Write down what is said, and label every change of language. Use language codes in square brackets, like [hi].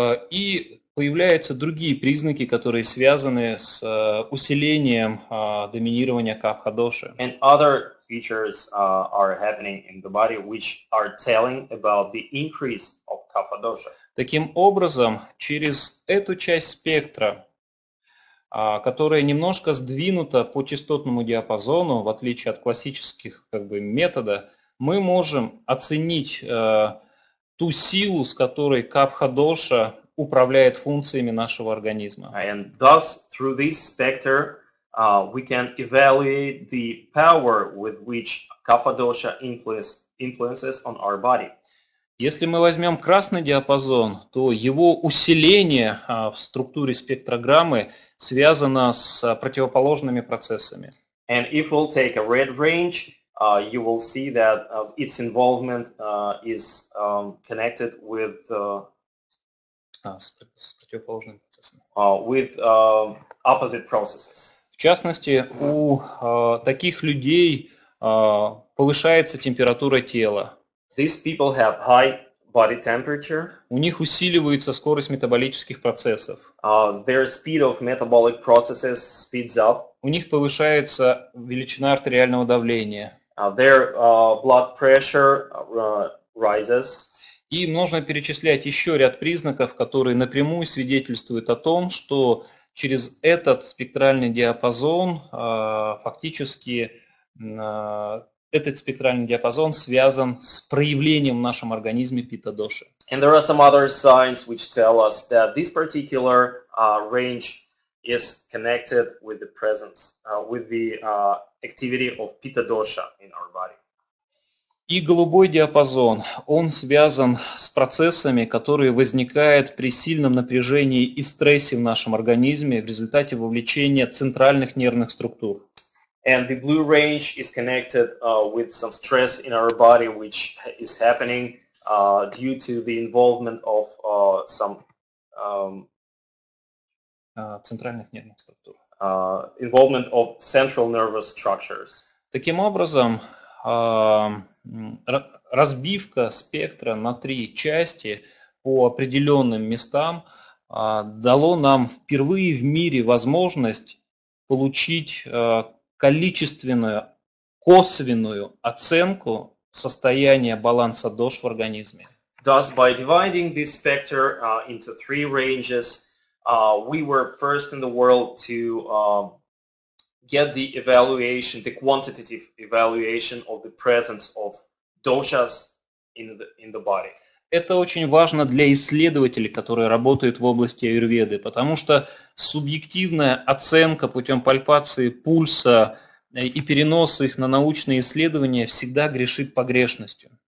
[ru] И появляются другие признаки, которые связаны с усилением доминирования капха-доши. [en] And other features are happening in the body which are telling about the increase of kapha dosha. [ru] Таким образом, через эту часть спектра, которая немножко сдвинута по частотному диапазону, в отличие от классических как бы метода, мы можем оценить ту силу, с которой капха доша управляет функциями нашего организма. [en] And thus through this spectrum, we can evaluate the power with which kapha dosha influences on our body. [ru] Если мы возьмем красный диапазон, то его усиление в структуре спектрограммы связано с противоположными процессами. [en] And if we'll take a red range, you will see that its involvement is connected with [ru] с противоположными процессами. [en] With opposite processes. [ru] В частности, у таких людей повышается температура тела. [en] These people have high body temperature. [ru] У них усиливается скорость метаболических процессов. [en] Their speed of metabolic processes speeds up. [ru] У них повышается величина артериального давления. [en] Their blood pressure rises. [ru] И можно перечислять еще ряд признаков, которые напрямую свидетельствуют о том, что через этот спектральный диапазон фактически этот спектральный диапазон связан с проявлением в нашем организме питта-доши. [en] And there are some other signs which tell us that this particular range is connected with the presence, with the activity of питта-доша in our body. [ru] И голубой диапазон, он связан с процессами, которые возникают при сильном напряжении и стрессе в нашем организме в результате вовлечения центральных нервных структур. [en] And the blue range is connected with some stress in our body, which is happening due to the involvement of some [ru] центральных нервных структур. [en] Involvement of central nervous structures. [ru] Таким образом, разбивка спектра на три части по определенным местам дало нам впервые в мире возможность получить количественную, косвенную оценку состояния баланса ДОШ в организме. [en] Thus, by dividing this spectra into three ranges, we were first in the world to get the evaluation, the quantitative evaluation of the presence of doshas in the body. [ru] Это очень важно для исследователей, которые работают в области аюрведы, потому что субъективная оценка путем пальпации пульса и перенос их на научные исследования всегда грешит погрешностью.